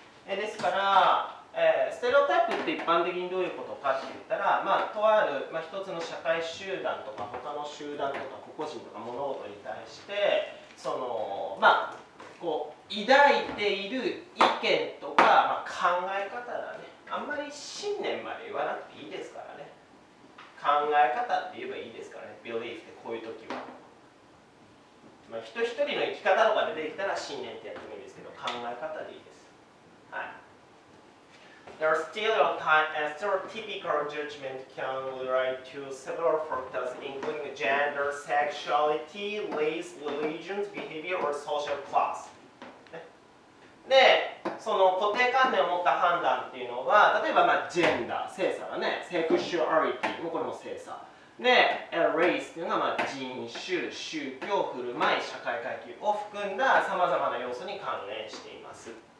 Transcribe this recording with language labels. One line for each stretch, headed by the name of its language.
Japanese: ですから、ステレオタイプって一般的にどういうことかって言ったら、まあ、とある、まあ、一つの社会集団とか、他の集団とか、個々人とか、物事に対して、その、まあ、こう、抱いている意見とか、まあ、考え方だね。あんまり信念まで言わなくていいですからね。考え方って言えばいいですからね。 belief ってこういう時は。まあ、人一人の生き方とか出てきたら信念ってやってもいいですけど、考え方でいいです。はい。
English: The stereotype and stereotypical judgment can relate to several factors, including gender, sexuality, race, religion, behavior, or social class.
Japanese: で、その固定観念を持った判断っていうのは、例えば、まあ、ジェンダー、性差だね、セクシュアリティもこれも性差。で、race っていうのが、まあ、人種、宗教、振る舞い、社会階級を含んださまざまな要素に関連しています。